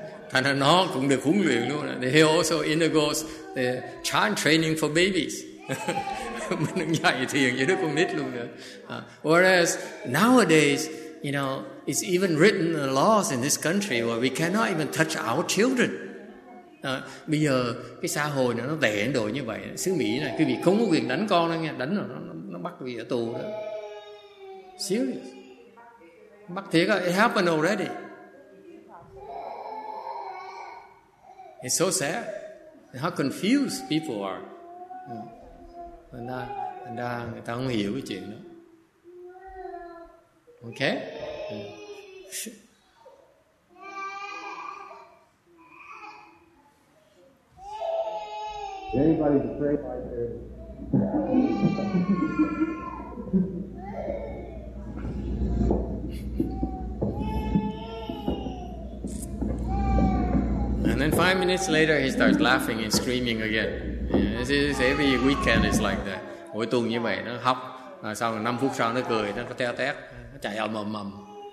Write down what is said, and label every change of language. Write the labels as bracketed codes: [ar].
[vi] Thành ra nó cũng được huấn luyện luôn. [en] He also undergoes the chant training for babies. [vi] Mình cũng dạy thiền cho đứa con nít luôn nữa. [en] Whereas nowadays, you know, it's even written laws in this country where we cannot even touch our children. [vi] Bây giờ cái xã hội này nó tệ đến độ như vậy. Xứ Mỹ này, quý vị không có quyền đánh con đâu nha. Đánh rồi nó bắt vì ở tù đó. Serious. Bắt thiệt rồi. It happened already. [en] It's so sad. How confused people are. [vi] Người ta người ta không hiểu cái chuyện đó. [en] Okay. Anybody's afraid right there. And then 5 minutes later, he starts laughing and screaming again. Yeah, this every weekend is like that. [vi] Mỗi tuần như vậy nó hóc, sau 5 phút sau nó cười, nó teo tét, nó chạy ầm ầm ầm.